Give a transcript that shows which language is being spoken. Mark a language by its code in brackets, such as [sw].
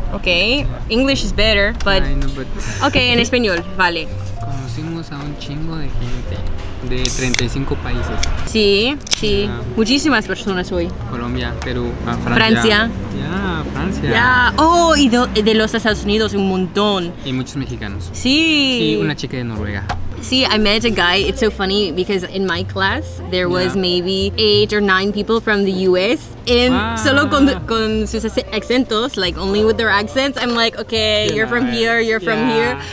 [en] Okay, English is better, but... I know, but... [es] Okay, en español, vale. Conocimos a un chingo de gente de 35 países. Sí, sí. [en] Yeah. [es] Muchísimas personas hoy. Colombia, Perú, Francia. Francia. Francia. [en] Yeah. [es] Oh, y de los Estados Unidos, un montón. Y muchos mexicanos. Sí. Y una chica de Noruega. [en] See, I met a guy. It's so funny because in my class there was maybe 8 or 9 people from the US, and [es] solo con sus acentos, [en] like only with their accents, I'm like, okay, you're from here, you're from here.